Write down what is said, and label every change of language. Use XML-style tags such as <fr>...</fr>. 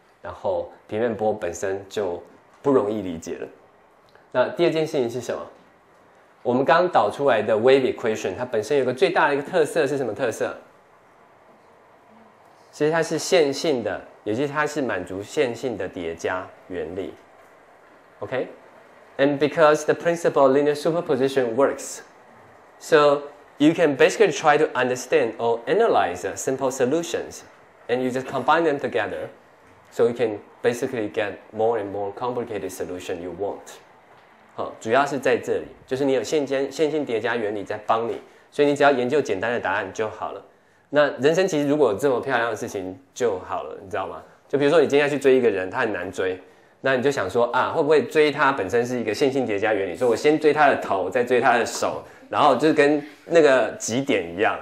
<zh>然后平面波本身就不容易理解了。那第二件事情是什么？我们刚导出来的 wave equation， 它本身有个最大的一个特色是什么特色？其实它是线性的，也就是它是满足线性的叠加原理。</zh> <en>OK， and because the principle of linear superposition works， so you can basically try to understand or analyze simple solutions， and you just combine them together。 So you can basically get more and more complicated solution you want.</en> <zh>好，主要是在这里，就是你有线性叠加原理在帮你，所以你只要研究简单的答案就好了。那人生其实如果有这么漂亮的事情就好了，你知道吗？就比如说你今天要去追一个人，他很难追，那你就想说啊，会不会追他本身是一个线性叠加原理？所以我先追他的头，再追他的手，然后就是跟那个极点一样。</zh>